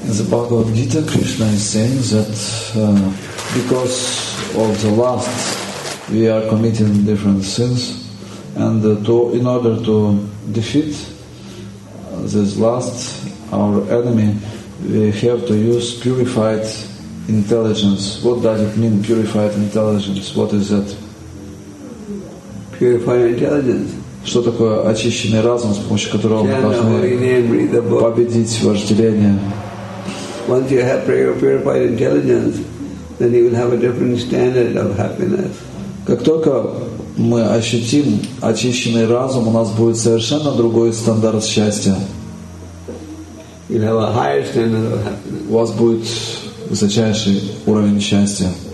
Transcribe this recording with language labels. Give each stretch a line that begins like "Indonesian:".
English: Bhagavad Gita, Krishna is saying that because of the lust, we are committing different sins, and in order to defeat this lust, our enemy, we have to use purified intelligence. What does it mean, purified intelligence? What is that? Purified intelligence.
Russian: Что такое очищенный разум, с помощью которого мы должны победить вожделение?
English: Once you have purified intelligence, then you will have a different standard of happiness.
Russian: Как только мы ощутим очищенный разум, у нас будет совершенно другой стандарт счастья.
English: You have a higher standard of happiness.
Russian: У вас будет высочайший уровень счастья.